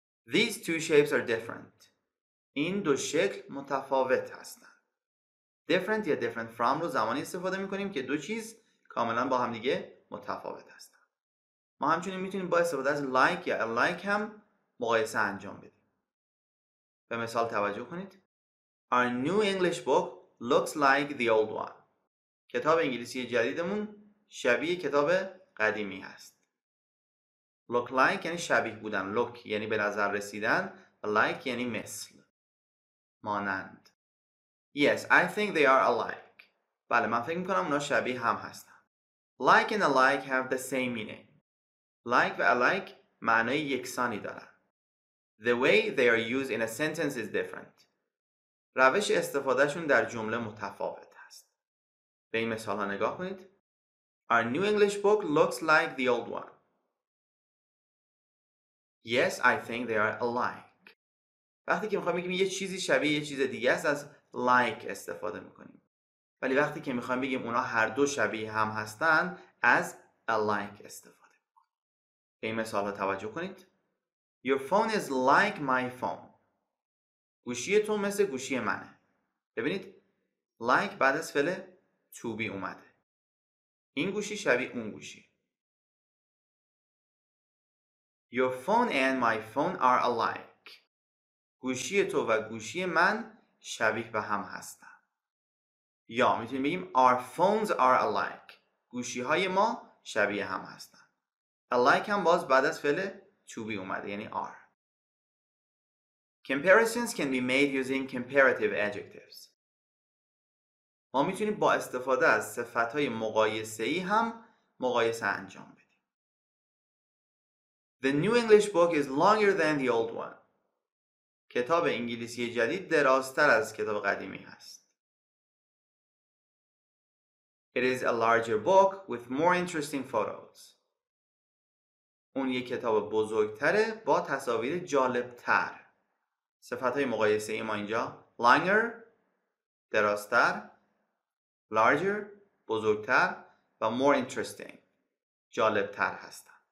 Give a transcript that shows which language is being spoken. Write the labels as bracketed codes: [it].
[en] These two shapes are different. [fa] این دو شکل متفاوت هستن. Different یا different from رو زمانی استفاده میکنیم که دو چیز کاملا با هم دیگه متفاوت هستن. ما همچنین میتونیم با استفاده از like یا alike هم مقایسه انجام بدیم. به مثال توجه کنید. [en] Our new English book looks like the old one. [fa] کتاب انگلیسی جدیدمون شبیه کتاب قدیمی هست. Look like یعنی شبیه بودن. Look یعنی به نظر رسیدن. Like یعنی مثل. مانند. [en] Yes, I think they are alike. [fa] بله من فکر میکنم اونا شبیه هم هستن. [en] Like and alike have the same meaning. [fa] Like و alike معنی یکسانی دارن. [en] The way they are used in a sentence is different. [fa] روش استفادهشون در جمله متفاوت هست. به این مثال ها نگاه کنید. [en] Our new English book looks like the old one. Yes, I think they are alike. [fa] وقتی که میخوایم بگیم یه چیزی شبیه یه چیز دیگه است از like استفاده میکنیم. ولی وقتی که میخوایم بگیم اونا هر دو شبیه هم هستن از alike استفاده میکنیم. به این مثال ها توجه کنید. [en] Your phone is like my phone. [fa] گوشی تو مثل گوشی منه. ببینید like بعد از فعل to be اومده. این گوشی شبیه اون گوشی. [en] Your phone and my phone are alike. [fa] گوشی تو و گوشی من شبیه به هم هستن. یا میتونیم بگیم [en] Our phones are alike. [fa] گوشی های ما شبیه هم هستن. Alike هم باز بعد از فعل to be اومده یعنی are. [en] Comparisons can be made using comparative adjectives. [fa] ما میتونیم با استفاده از صفت های مقایسه ای هم مقایسه انجام بدیم. [en] The new English book is longer than the old one. [fa] کتاب انگلیسی جدید درازتر از کتاب قدیمی هست. [en] It is a larger book with more interesting photos. [fa] اون یک کتاب بزرگتره با تصاویر جالبتر. صفت های مقایسه ای ما اینجا longer دراستر، larger بزرگتر و more interesting جالبتر هستن.